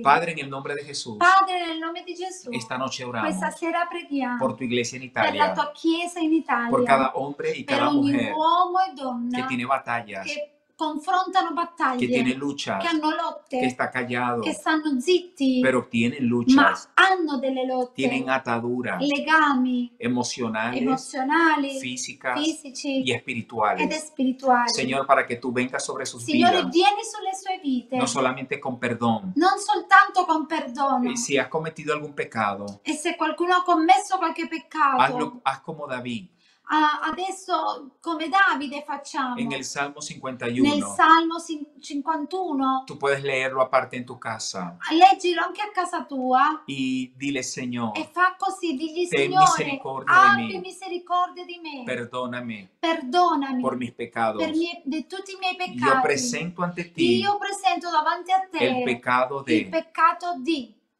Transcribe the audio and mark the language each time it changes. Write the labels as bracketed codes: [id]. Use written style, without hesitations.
[es] Padre, en el nombre de Jesús. [it] Padre, nel nome di Gesù. [es] Esta noche oramos. [it] Questa sera [es] por tu iglesia en Italia, [it] per la tua chiesa in Italia, [es] por cada hombre y cada [it] ogni [es] mujer [it] uomo e donna [es] que tiene batallas, [it] que confrontano battaglie, [es] que tiene luchas, [it] que hanno lotte, [es] que está callado, [it] que stanno zitti, [es] pero tienen luchas, [it] ma hanno delle lotte, [es] tienen ataduras, [it] legami, [es] emocionales, físicas, [it] fisici, [es] y espirituales, [it] ed espirituali. [es] Señor, para que tú vengas sobre sus [it] Signore, [es] vidas, [it] vieni sulle sue vite, [es] no solamente con perdón, [it] non soltanto con perdono, [es] y si has cometido algún pecado, [it] e se qualcuno ha commesso qualche peccato, [es] haz como David. [it] Adesso come Davide facciamo? [es] En el Salmo 51. [it] Nel Salmo 51. [es] Tú puedes leerlo aparte en tu casa. [it] Leggilo anche a casa tua. [es] Y dile Señor. [it] E fa così, digli Signore, abbi misericordia di me. [es] Perdóname. [it] Perdonami. [es] Por mis pecados. [it] Per di tutti i miei peccati. [es] Yo presento ante ti. [it] Io presento davanti a te. [es] El pecado de. [it] Il peccato di.